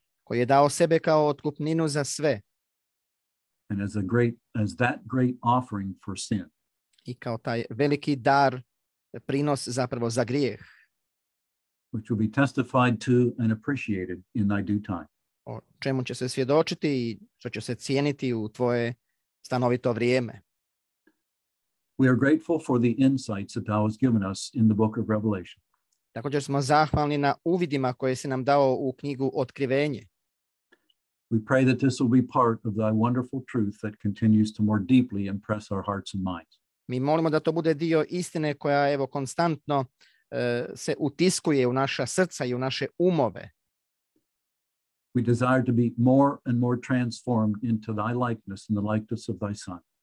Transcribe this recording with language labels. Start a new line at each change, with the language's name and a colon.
Croatian: Koji je dao sebe kao otkupninu za sve.
English: And as that great offering for sin.
Croatian: I kao taj veliki dar, prinos zapravo za grijeh.
English: Which will be testified to and appreciated in thy due time.
Croatian: O čemu će se svjedočiti i što će se cijeniti u tvoje stanovito vrijeme.
English: We are grateful for the insights that thou has given us in the book of Revelation.
Croatian: Također smo zahvalni na uvidima koje si nam dao u knjigu Otkrivenje.
English: We pray that this will be part of thy wonderful truth that continues to more deeply impress our hearts and minds.
Croatian: Mi molimo da to bude dio istine koja evo konstantno se utiskuje u naša srca i u naše umove.
English: We desire to be more and more transformed into thy likeness and the likeness of thy son.